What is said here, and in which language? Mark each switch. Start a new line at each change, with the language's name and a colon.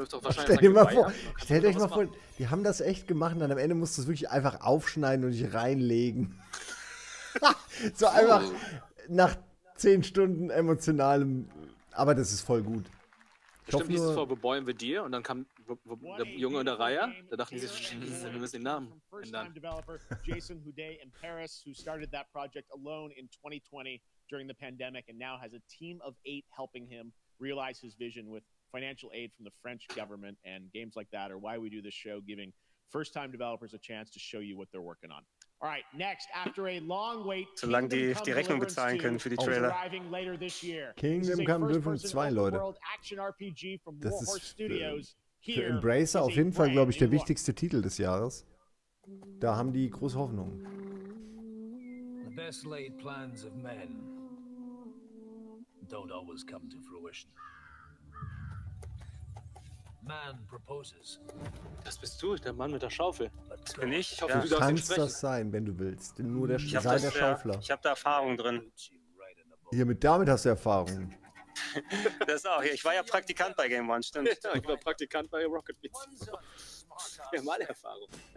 German: Stell dir mal vor, die haben das echt gemacht und dann am Ende musst du es wirklich einfach aufschneiden und dich reinlegen. So einfach nach 10 Stunden emotionalem. Aber das ist voll gut. Stimmt, hieß es vor The Boy and the Deer und dann kam der Junge in der Reihe. Da dachten sie, scheiße, wir müssen den Namen ändern.
English: Jason Houdet in Paris, who started that project alone in 2020 during the pandemic and now has a team of eight helping him realize his vision with financial aid from the French government and games like that are why we do this show, giving first-time developers a chance to show you what they're working on. All right, next, after a long wait,
German: solange die Rechnung bezahlen können für die Trailer.
English: Arriving later this year. Kingdom Come Deliverance 2,
German: Leute. Das ist für Embracer auf jeden Fall, glaube ich, der wichtigste Titel des Jahres. Da haben die große Hoffnung.
English: The best laid plans of men don't always come to fruition. Man proposes.
German: Das bist du, der Mann mit der Schaufel. Das bin ich. Ja. Du kannst das sein, wenn du willst. Nur der sei der Schaufler. Ich habe da Erfahrung drin. Hiermit, damit hast du Erfahrung. Das auch. Ich war ja Praktikant bei Game One, stimmt. Ja, ich war Praktikant bei Rocket Beats. Wir haben alle Erfahrung.